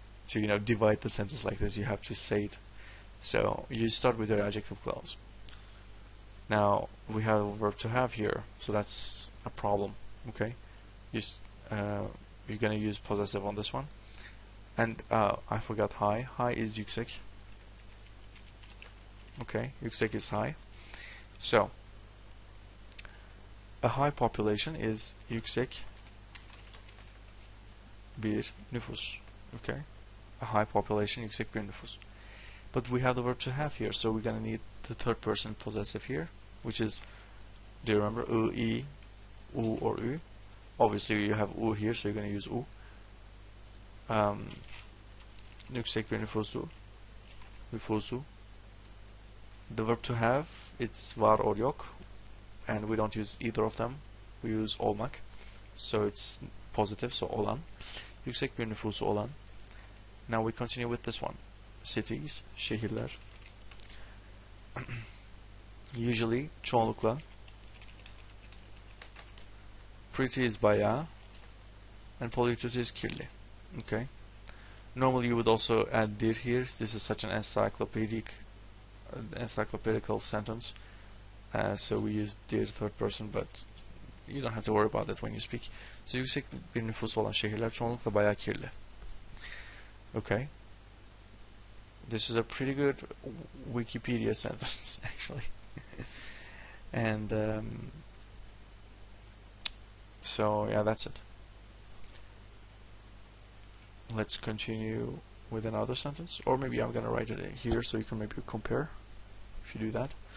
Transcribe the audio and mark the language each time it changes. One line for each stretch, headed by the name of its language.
English: to, you know, divide the sentence like this, you have to say it. So you start with your adjective clause. Now we have a verb to have here, so that's a problem. Okay, you're gonna use possessive on this one, and I forgot high. High is yüksek. Okay, yüksek is high. So a high population is
Turkish: yüksek bir nüfus.
English: Okay, a high population,
Turkish: yüksek bir nüfus.
English: But we have the verb to have here, so we're gonna need the third person possessive here, which is, do you remember, ü, i, u, or ü? Obviously you have u here, so you're gonna use u.
Turkish: Yüksek bir nüfusu.
English: The verb to have, it's var or yok, and we don't use either of them, we use olmak, so it's positive, so olan.
Turkish: Yüksek bir nüfusu olan.
English: Now we continue with this one. Cities, şehirler. Usually, çoğunlukla. Pretty is bayağı. And polluted is kirli. Okay. Normally you would also add dir here. This is such an encyclopedical sentence. So we use dir third person, but you don't have to worry about that when you speak.
Turkish: So yüksek bir nüfus olan şehirler çoğunlukla bayağı kirli.
English: Okay. This is a pretty good Wikipedia sentence, actually. And so, yeah, that's it. Let's continue with another sentence. Or maybe I'm going to write it here so you can maybe compare if you do that.